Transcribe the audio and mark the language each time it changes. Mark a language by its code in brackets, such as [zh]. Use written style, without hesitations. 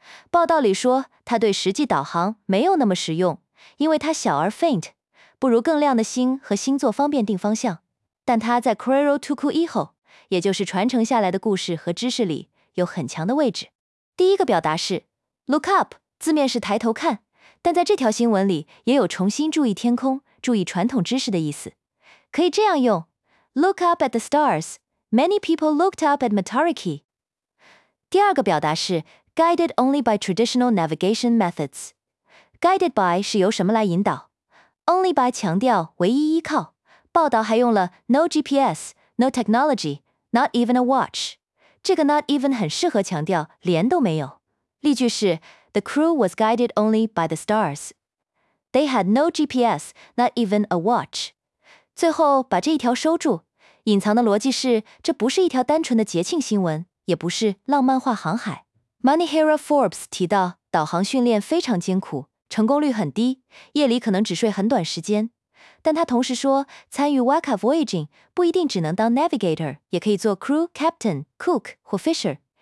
[zh] 报道里说，它对实际导航没有那么实用，因为它小而 faint， 不如更亮的星和星座方便定方向。但它在 Kuroro Tuku Iho， 也就是传承下来的故事和知识里有很强的位置。第一个表达是 look up， 字面是抬头看，但在这条新闻里也有重新注意天空、注意传统知识的意思。可以这样用 [en] look up at the stars， many people looked up at Matariki。 [zh] 第二个表达是 [en] Guided only by traditional navigation methods. [zh] Guided by 是由什么来引导？Only by 强调唯一依靠。报道还用了 [en] no GPS, no technology, not even a watch. [zh] 这个 not even 很适合强调连都没有。 [en] 例句是 The crew was guided only by the stars. They had no GPS, not even a watch. [zh] 最后把这一条收住，隐藏的逻辑是，这不是一条单纯的节庆新闻，也不是浪漫化航海。 Manihara Forbes 提到，导航训练非常艰苦，成功率很低，夜里可能只睡很短时间。但他同时说，参与 Waka Voyaging 不一定只能当 navigator， 也可以做 crew, captain, cook 或 fisher。